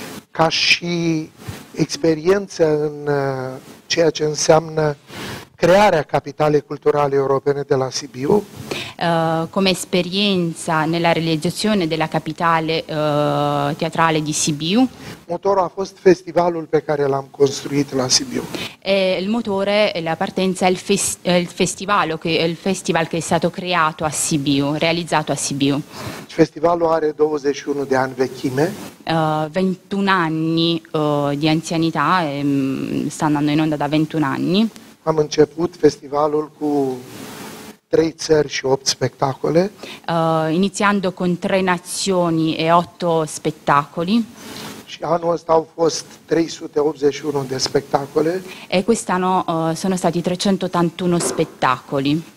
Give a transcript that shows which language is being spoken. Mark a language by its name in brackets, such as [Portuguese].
[Romanian] Ca și experiență în ceea ce înseamnă crearea capitale culturale europene de la Sibiu. [Italian] Come esperienza nella realizzazione della capitale teatrale di Sibiu. [Romanian] Motorul a fost festivalul pe care l-am construit la Sibiu. [Italian] Il motore, la partenza, il festival che è stato creato a Sibiu, realizzato a Sibiu. [Romanian] Festivalul are 21 de ani vechime. [Italian] 21 anni di anzianità, sta andando in onda da 21 anni. [Romanian] Am început festivalul cu 3 țări și 8 spectacole. [Italian] Iniziando con 3 nazioni e 8 spettacoli. [Romanian] Și anul ăsta au fost 381 de spectacole. [Italian] E quest'anno sono stati 381 spettacoli.